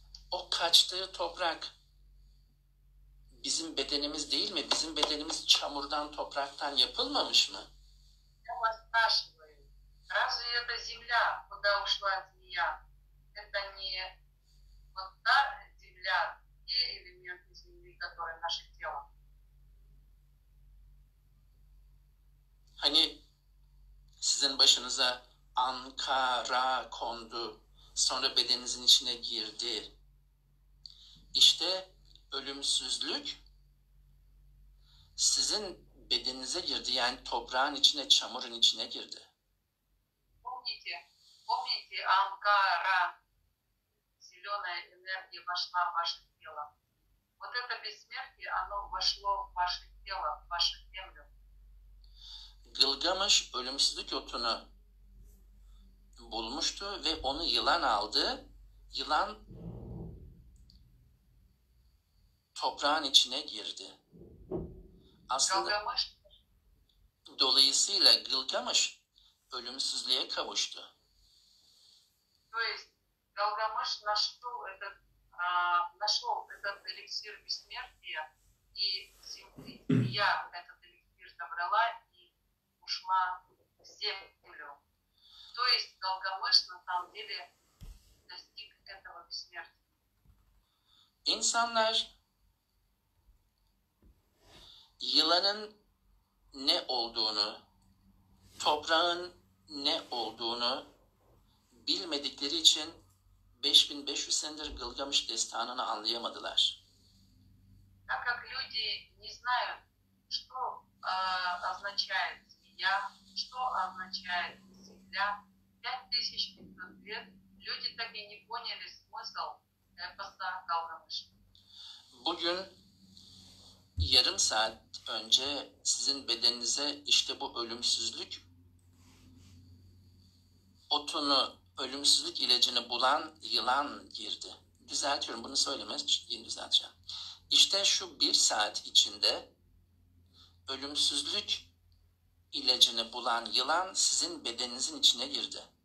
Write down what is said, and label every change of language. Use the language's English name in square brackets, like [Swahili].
[Turkish] O kaçtığı toprak bizim bedenimiz değil mi? Bizim bedenimiz çamurdan, topraktan yapılmamış mı? [Russian] Я вас спрашиваю, разве эта земля, куда ушла змея, это не вот та земля, те элементы земли, которые наше тело? [Turkish] Hani sizin başınıza Ankara kondu, sonra bedeninizin içine girdi. İşte ölümsüzlük sizin bedeninize girdi, yani toprağın içine, çamurun içine girdi. [Russian] Помните, Анкара, зеленая энергия вошла в ваше тело. Вот это бессмертие, оно вошло в ваше тело, в вашу землю. [Turkish] Gılgamış ölümsüzlük otunu bulmuştu ve onu yılan aldı. Yılan toprağın içine girdi. Aslında Gılgamış. Dolayısıyla Gılgamış ölümsüzlüğe kavuştu. [Russian] То есть Галгамеш нашел этот эликсир бессмертия, и я этот эликсир забрала и ушла в землю. То есть Галгамеш на самом деле достиг этого бессмертия. [Turkish] İnsanlar yılanın ne olduğunu, toprağın ne olduğunu bilmedikleri için 5500 senedir Gılgamış destanını anlayamadılar. [Russian] Так как люди не знают, что означает змея, что означает земля, 5500 лет люди так и не поняли смысл эпоса Гылгамыш. [Turkish] Bugün yarım saat önce sizin bedeninize işte bu ölümsüzlük otunu, ölümsüzlük ilacını bulan yılan girdi. Düzeltiyorum, bunu söylemez, şimdi düzelteceğim. İşte şu bir saat içinde ölümsüzlük ilacını bulan yılan sizin bedeninizin içine girdi.